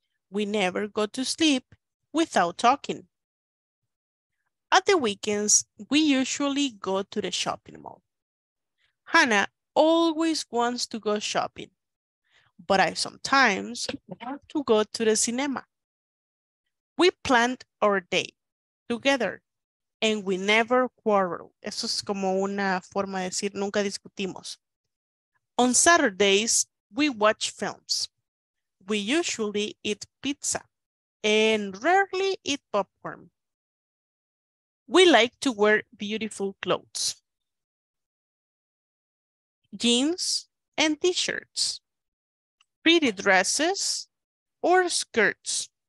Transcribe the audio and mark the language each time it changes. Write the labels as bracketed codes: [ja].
[en] We never go to sleep without talking. At the weekends, we usually go to the shopping mall. Hannah always wants to go shopping, but I sometimes want to go to the cinema. We planned our day together, and we never quarrel. [es] Eso es como una forma de decir, nunca discutimos. [en] On Saturdays, we watch films. We usually eat pizza, and rarely eat popcorn. We like to wear beautiful clothes. Jeans and t-shirts. Pretty dresses or skirts.